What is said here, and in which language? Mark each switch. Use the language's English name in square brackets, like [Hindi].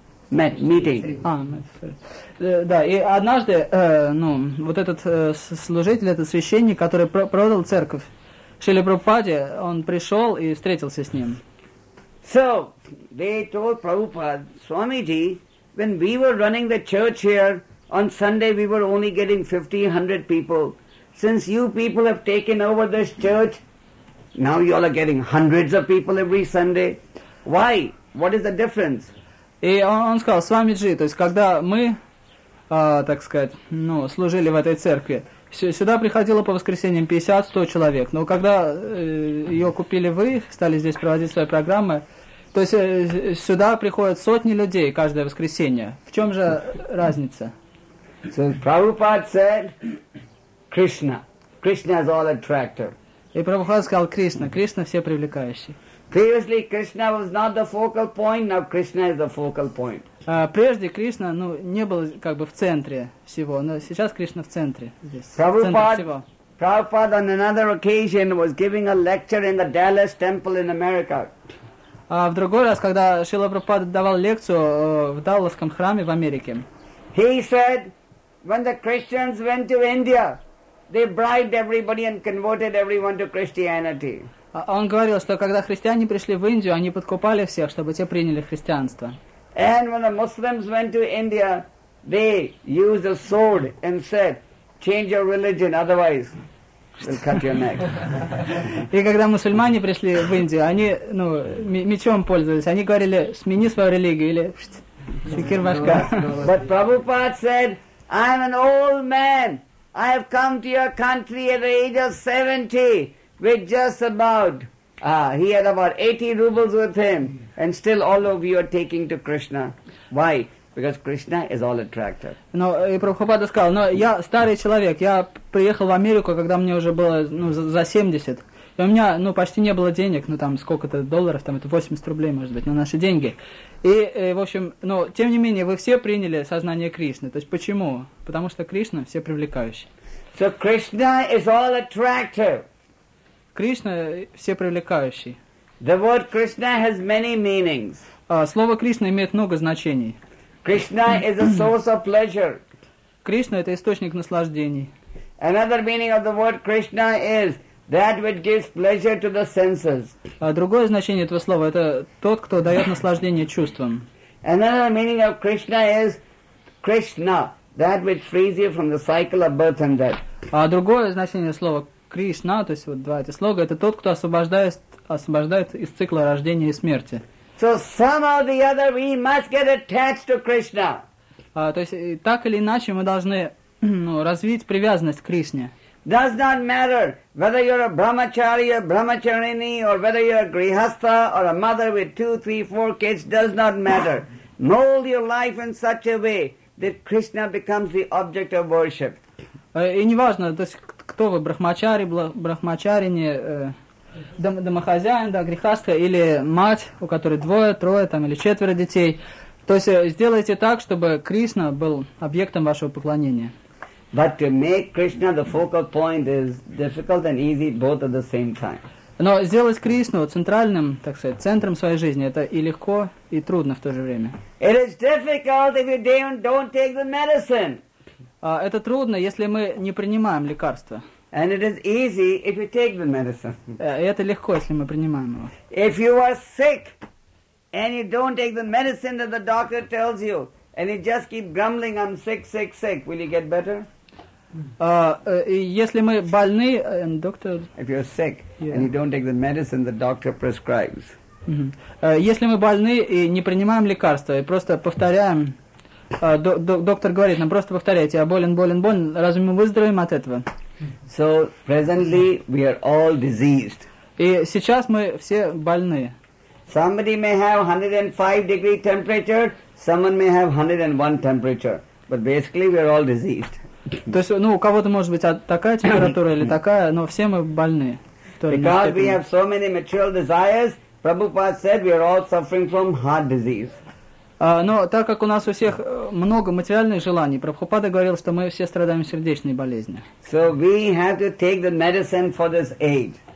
[Russian] Да, и однажды, ну, вот этот служитель, этот священник, который продал церковь Шриле Прабхупаде, он пришел и встретился с ним. [English] So, they told Prabhupada, Swamiji, when we were running the church here, on Sunday we were only getting 50-100 people. Since you people have taken over this church, now you all are getting hundreds of people every Sunday. Why? What is the difference? [Russian] И он сказал, Свамиджи, то есть когда мы, так сказать, ну, служили в этой церкви, сюда приходило по воскресеньям 50-100 человек, но когда ее купили вы, стали здесь проводить свои программы, то есть сюда приходят сотни людей каждое воскресенье. В чем же разница? [English] So, Prabhupada said, Krishna. Krishna is all attractive. [Russian] И Прабхупада сказал, Кришна. Кришна все привлекающие. [English] Previously Krishna was not the focal point, now Krishna is the focal point. [Russian] Прежде Кришна, ну, не был как бы в центре всего, но сейчас Кришна в центре здесь. [English] Prabhupada on another occasion was giving a lecture in the Dallas Temple in America. [Russian] В другой раз, когда Шрила Прабхупада давал лекцию в Далласском храме в Америке. [English] He said, when the Christians went to India, they bribed everybody and converted everyone to Christianity. [Russian] Он говорил, что когда христиане пришли в Индию, они подкупали всех, чтобы те приняли христианство. [English] And when the Muslims went to India, they used a sword and said, change your religion, otherwise we'll cut your neck. [Russian] И когда мусульмане пришли в Индию, они, ну, мечом пользовались. Они говорили, смени свою религию или секир башка. [English] But Prabhupada said, I'm an old man. I have come to your country at the age of 70. With just about, he had about 80 rubles with him, and still all of you are taking to Krishna. Why? Because Krishna is all attractive. [Russian] Но и Прабхупада сказал, но я старый человек, я приехал в Америку, когда мне уже было ну за 70, и у меня ну почти не было денег, ну там сколько-то долларов, там это 80 рублей, может быть, на наши деньги. И в общем, но тем не менее вы все приняли сознание Кришны. То есть почему? Потому что Кришна все привлекающий. [English] So Krishna is all attractive. [Russian] Кришна все привлекающий. [English] The word Krishna has many meanings. [Russian] Слово Кришна имеет много значений. [English] Krishna is a source of pleasure. [Russian] Кришна это источник наслаждений. [English] Another meaning of the word Krishna is that which gives pleasure to the senses. [Russian] Другое значение этого слова это тот, кто дает наслаждение чувствам. [English] Another meaning of Krishna is Krishna, that which frees you from the cycle of birth and death. [Russian] Другое значение слова Кришна, то есть вот два эти слога, это тот, кто освобождает из цикла рождения и смерти. [English] So somehow or the other we must get attached to Krishna. [Russian] То есть так или иначе мы должны ну, развить привязанность к Кришне. [English] Does not matter whether you're a brahmachari or brahmacharini or whether you're a grihastha or a mother with 2, 3, 4 kids, does not matter. Mold your life in such a way that Krishna becomes the object of worship. [Russian] И неважно, то есть кто вы, брахмачари, брахмачарини, домохозяин, да, грехастха, или мать, у которой двое, трое, там, или четверо детей. То есть сделайте так, чтобы Кришна был объектом вашего поклонения. [English] But to make Krishna the focal point is difficult and easy both at the same time. [Russian] Но сделать Кришну центральным, так сказать, центром своей жизни, это и легко, и трудно в то же время. [English] It is difficult if you don't take the medicine. [Russian] Это трудно, если мы не принимаем лекарства. [English] And it is easy if you take the medicine. [Russian] Это легко, если мы принимаем его. [English] If you are sick and you don't take the medicine that the doctor tells you, and you just keep grumbling, I'm sick, sick, sick, will you get better? [Russian] Если мы больны, доктор... [English] If you're sick and you don't take the medicine the doctor prescribes. [Russian] Если мы больны и не принимаем лекарства, и просто повторяем, доктор говорит нам, просто повторяйте, я болен, болен, болен, разве мы выздоровеем от этого? [English] So presently we are all diseased. [Russian] И сейчас мы все больны. [English] Somebody may have 105 degree temperature, someone may have 101 temperature, but basically we are all diseased. [Russian] То есть, ну, у кого-то может быть такая температура или такая, но все мы больны. [English] Because we have so many material desires, Prabhupada said we are all suffering from heart disease. [Russian] Но так как у нас у всех много материальных желаний, Прабхупада говорил, что мы все страдаем сердечной болезнью. [English] So we have to take the medicine for this age.